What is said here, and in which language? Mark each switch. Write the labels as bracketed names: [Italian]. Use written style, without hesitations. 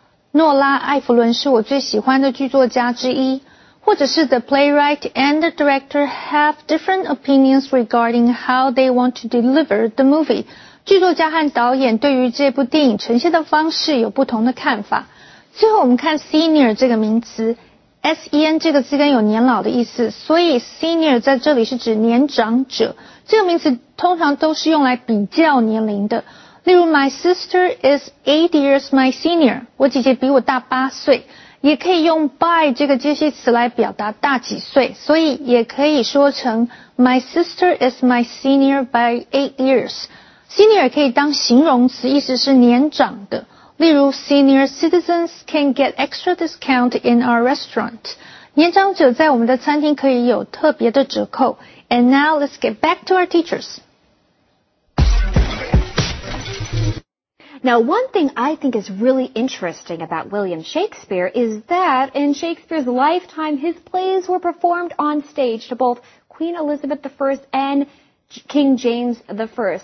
[Chinese] 诺拉·艾弗伦是我最喜欢的剧作家之一。或者是 [English] the playwright and the director have different opinions regarding how they want to deliver the movie. [Chinese] 剧作家和导演对于这部电影呈现的方式有不同的看法。最后我们看 senior 这个名词。 SEN 这个字根有年老的意思，所以 senior 在这里是指年长者。这个名词通常都是用来比较年龄的。例如 [English] my sister is 8 years my senior, [Chinese] 我姐姐比我大8岁。也可以用 by 这个介系词来表达大几岁，所以也可以说成 [English] my sister is my senior by 8 years。 Senior [Chinese] 可以当形容词，意思是年长的。例如 [English] ,senior citizens can get extra discount in our restaurant. [Chinese] 年长者在我们的餐厅可以有特别的折扣。 [English] And now let's get back to our teachers. Now, one thing I think is really interesting about William Shakespeare is that in Shakespeare's lifetime, his plays were performed on stage to both Queen Elizabeth I and King James I.